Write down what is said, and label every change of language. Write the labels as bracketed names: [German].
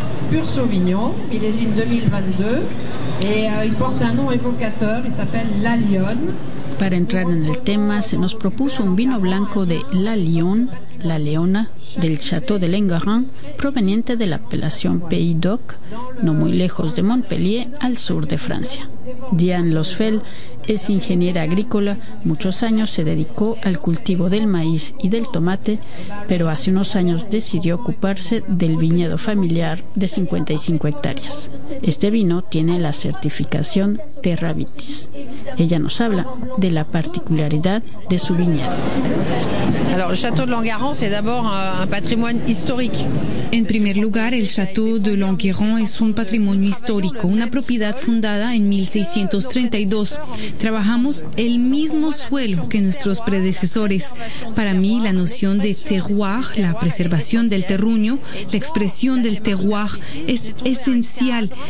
[French] Pur Sauvignon, il est île 2022 et il porte un nom évocateur, il s'appelle La Lyonne. [Spanish] Para entrar en el tema, se nos propuso un vino blanco de La Lyonne, La Leona, del Château de Lengarin, proveniente de la apelación Pays d'Oc, no muy lejos de Montpellier, al sur de Francia. Diane Losfeld es ingeniera agrícola, muchos años se dedicó al cultivo del maíz y del tomate, pero hace unos años decidió ocuparse del viñedo familiar de 55 hectáreas. Este vino tiene la certificación Terra Vitis. Ella nos habla de la particularidad de su viñedo. [French] Alors, Château de Langaran, c'est d'abord un patrimoine historique. [Spanish] En primer lugar, el Château de Langaran es un patrimonio histórico, una propiedad fundada en 1632. Trabajamos el mismo suelo que nuestros predecesores. Para mí, la noción de terroir, la preservación del terruño, la expresión del terroir, es esencial.